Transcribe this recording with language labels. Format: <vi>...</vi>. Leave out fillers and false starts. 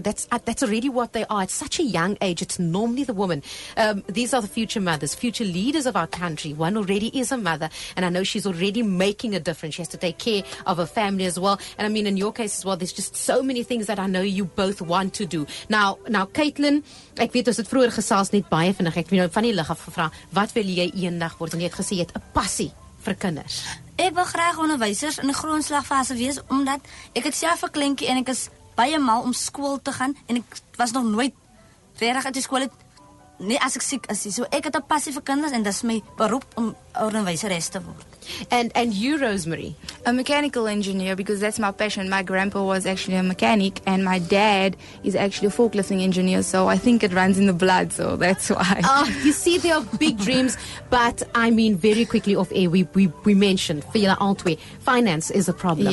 <en>That's really what they are. At such a young age, it's normally the woman. These are the future mothers, future leaders of our country. One already is a mother, and I know she's already making a difference. She has to take care of her family as well. And I mean, in your case as well, there's just so many things that I know you both want to do.</en> <af>Now Caitlin, ek weet ons het vroeër gesels net baie vinnig. Ek het nou van die lig af gevra, wat wil jy eendag word? En jy het gesê jy het 'n passie vir kinders. Ek wil graag onderwysers in die grondslagfase wees, omdat ek het self 'n kleintjie en ek is baie mal om skool te gaan, en ek was nog nooit regtig uit die skool het, nie as ek siek is. So ek het 'n passie vir kinders en dis my beroep om onderwyseres te word.</af> <en>And you, Rosemary? A mechanical engineer, because that's my passion. My grandpa was actually a mechanic and my dad is actually a forklifting engineer, so I think it runs in the blood, so that's why. You see, there are big dreams, but I mean, very quickly off air, we mentioned, Fela, aren't we? Finance is a problem.</en>